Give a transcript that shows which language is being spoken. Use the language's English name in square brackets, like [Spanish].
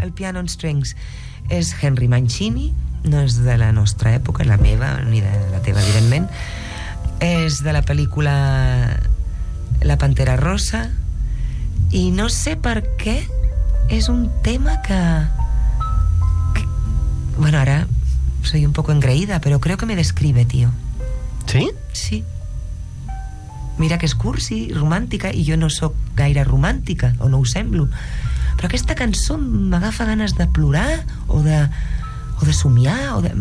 [Catalan] El Piano on Strings és Henry Mancini, no és de la nostra època, la meva ni de la teva, evidentment. És de la pel·lícula La Pantera Rosa i no sé per què és un tema que... [Spanish] Bueno, ara soy un poco engreída, pero creo que me describe, tío. ¿Sí? Sí. [Catalan] Mira que és cursi, romàntica, i jo no sóc gaire romàntica, o no ho semblo. Però aquesta cançó m'agafa ganes de plorar, o de somiar, o de...